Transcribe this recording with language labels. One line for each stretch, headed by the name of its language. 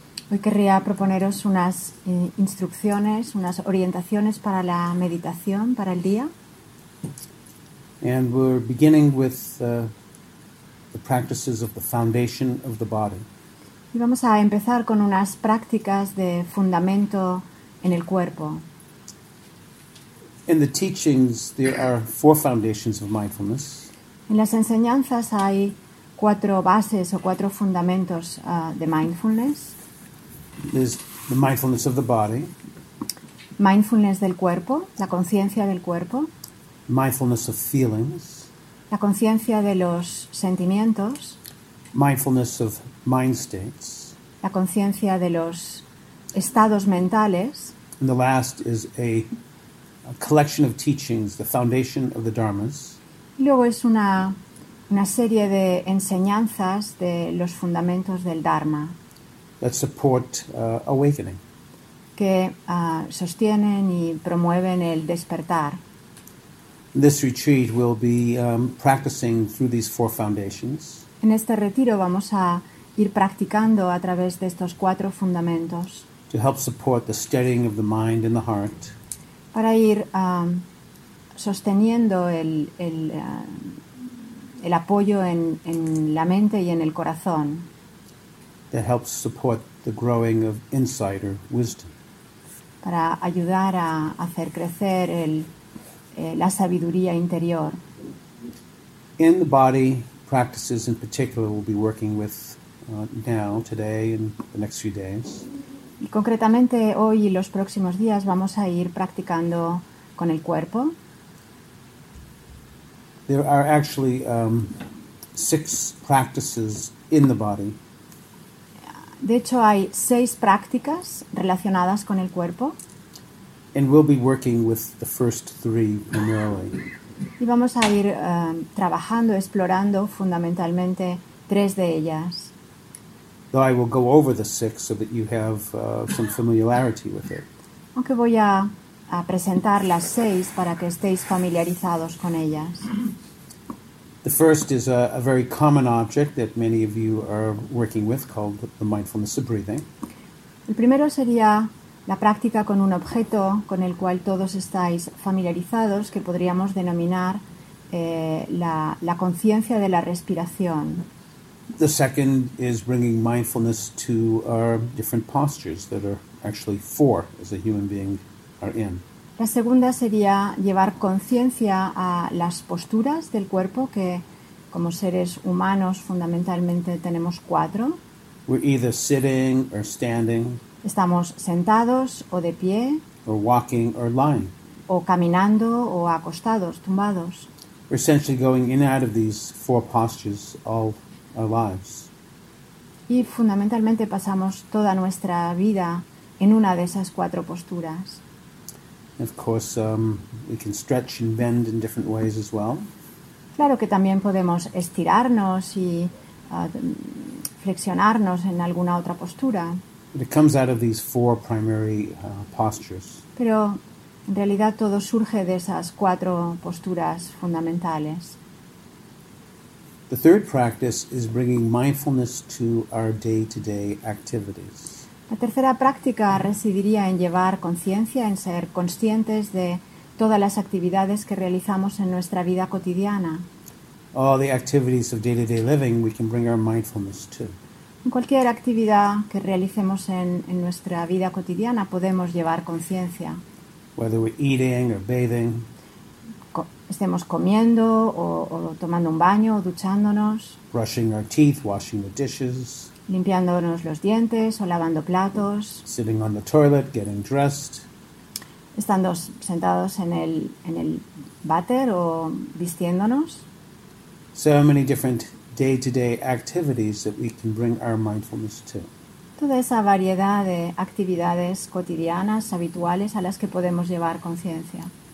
Spanish: Hoy querría proponeros unas instrucciones, unas orientaciones para la meditación, para el día.
English: And we're beginning with the practices of the foundation of the body.
Spanish: Y vamos a empezar con unas prácticas de fundamento en el cuerpo.
English: In the teachings, there are four foundations of mindfulness.
Spanish: En las enseñanzas hay cuatro bases o cuatro fundamentos de mindfulness.
English: There's the mindfulness of the body.
Spanish: Mindfulness del cuerpo, la conciencia del cuerpo.
English: Mindfulness of feelings.
Spanish: La conciencia de los sentimientos.
English: Mindfulness of mind states.
Spanish: La conciencia de los estados mentales.
English: And the last is a collection of teachings, the foundation of the dharmas.
Spanish: Luego es una serie de enseñanzas de los fundamentos del dharma.
English: That support awakening.
Spanish: Que sostienen y promueven el despertar.
English: This retreat will be practicing through these four foundations.
Spanish: En este retiro vamos a ir practicando a través de estos cuatro fundamentos.
English: To help support the steadying of the mind and the heart.
Spanish: Para ir sosteniendo el apoyo en la mente y en el corazón.
English: That helps support the growing of insight or wisdom.
Spanish: Para ayudar a hacer crecer la sabiduría interior.
English: In the body, practices in particular we'll be working with now, today, and the next few days.
Spanish: Y concretamente hoy y los próximos días vamos a ir practicando con el cuerpo.
English: There are actually six practices in the body.
Spanish: De hecho hay seis prácticas relacionadas con el cuerpo.
English: And we'll be working with the first three primarily.
Spanish: Y vamos a ir trabajando, explorando fundamentalmente tres de ellas.
English: Though I will go over the six so that you have some familiarity with it.
Spanish: Aunque voy a presentar las seis para que estéis familiarizados con ellas.
English: The first is a very common object that many of you are working with called the mindfulness of breathing.
Spanish: El primero sería la práctica con un objeto con el cual todos estáis familiarizados, que podríamos denominar la conciencia de la respiración.
English: The second is bringing mindfulness to our different postures that are actually four as a human being are in.
Spanish: La segunda sería llevar conciencia a las posturas del cuerpo que como seres humanos fundamentalmente tenemos cuatro.
English: We're either sitting or standing.
Spanish: Estamos sentados o de pie.
English: Or walking or lying.
Spanish: O caminando o acostados, tumbados.
English: We're essentially going in and out of these four postures all our lives.
Spanish: Y fundamentalmente pasamos toda nuestra vida en una de esas cuatro posturas.
English: Of course, we can stretch and bend in different ways as well.
Spanish: Claro que también podemos estirarnos y flexionarnos en alguna otra postura.
English: But it comes out of these four primary postures.
Spanish: Pero en realidad todo surge de esas cuatro posturas fundamentales.
English: The third practice is bringing mindfulness to our day-to-day activities.
Spanish: La tercera práctica residiría en llevar conciencia, en ser conscientes de todas las actividades que realizamos en nuestra vida cotidiana.
English: All the activities of day-to-day living we can bring our mindfulness to.
Spanish: En cualquier actividad que realicemos en nuestra vida cotidiana podemos llevar conciencia.
English: Whether we're eating or bathing.
Spanish: Estemos comiendo o tomando un baño o duchándonos.
English: Brushing our teeth, washing the dishes.
Spanish: Limpiándonos los dientes o lavando platos.
English: Sitting on the toilet, getting dressed.
Spanish: Estando sentados en el váter o vistiéndonos.
English: So many different day-to-day activities that we can bring our mindfulness to.
Spanish: Toda esa variedad de actividades cotidianas, habituales, a las que podemos llevar conciencia.